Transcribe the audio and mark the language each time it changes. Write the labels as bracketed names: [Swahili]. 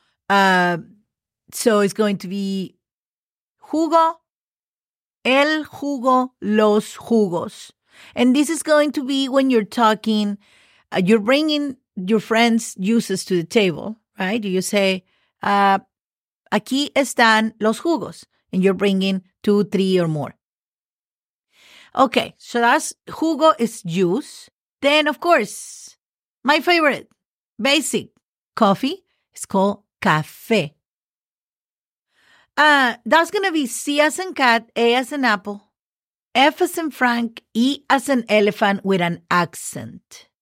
[English] So it's going to be jugo, el jugo, los jugos. And this is going to be when you're talking, you're bringing your friend's juices to the table, right? You say, [Spanish] aquí están los jugos. [English] And you're bringing 2, 3 or more. Okay, so that's jugo is juice. Then, of course, my favorite, basic. Coffee is called café. That's going to be C as in cat, A as in apple, F as in Frank, E as in elephant with an accent.